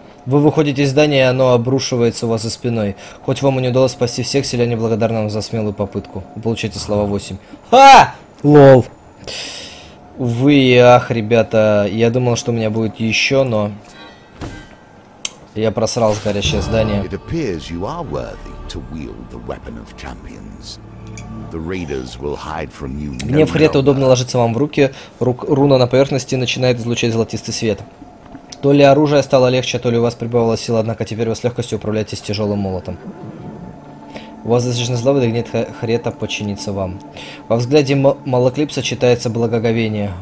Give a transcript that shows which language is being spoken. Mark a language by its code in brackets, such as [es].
[ru] Вы выходите из здания, и оно обрушивается у вас за спиной. Хоть вам и не удалось спасти всех, селяне благодарны вам за смелую попытку. Вы получаете слова 8. Ха! Лол! Увы и ах, ребята, я думал, что у меня будет еще, но я просрал горящее здание. [en] It appears you are worthy to wield the weapon of champions. The raiders will hide from you. [ru] Гнев Хрета удобно ложится вам в руки. Руна на поверхности начинает излучать золотистый свет. То ли оружие стало легче, то ли у вас прибавила сила, однако теперь вы с легкостью управляетесь тяжелым молотом. У вас достаточно злобы, да гнет Хрета подчинится вам. Во взгляде Малоклипса читается благоговение.